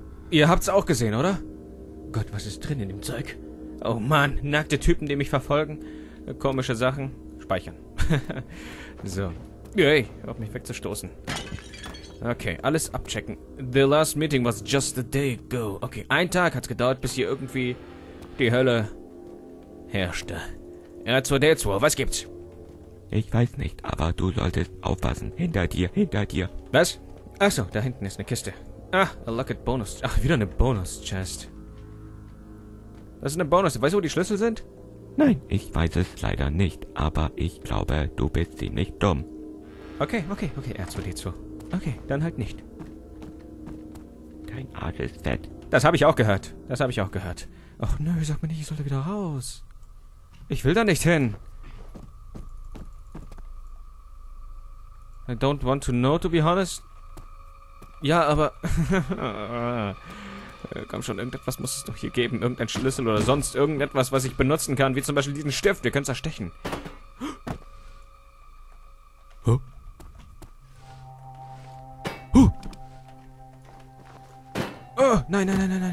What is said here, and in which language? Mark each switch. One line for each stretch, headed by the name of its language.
German: Ihr habt's auch gesehen, oder? Gott, was ist drin in dem Zeug? Oh Mann, nackte Typen, die mich verfolgen. Komische Sachen. Speichern. So. Hey, auf mich wegzustoßen. Okay, alles abchecken.
English: The last meeting was just a day ago.
German: Okay, ein Tag hat's gedauert, bis hier irgendwie die Hölle herrschte. R2D2, was gibt's? Ich weiß nicht, aber du solltest aufpassen. Hinter dir. Was? Achso, da hinten ist eine Kiste.
English: Ah, a locked bonus.
German: Ach, wieder eine Bonus-Chest. Das ist eine Bonus. Weißt du, wo die Schlüssel sind? Nein, ich weiß es leider nicht, aber ich glaube, du bist ziemlich dumm. Okay, R2D2. Okay, dann halt nicht. Dein Arsch ist fett. Das habe ich auch gehört. Ach nö, sag mir nicht, ich sollte wieder raus. Ich will da nicht hin.
English: I don't want to know, to be honest.
German: Ja, aber... komm schon, irgendetwas muss es doch hier geben. Irgendein Schlüssel oder sonst irgendetwas, was ich benutzen kann. Wie zum Beispiel diesen Stift. Wir können es erstechen. Oh, nein.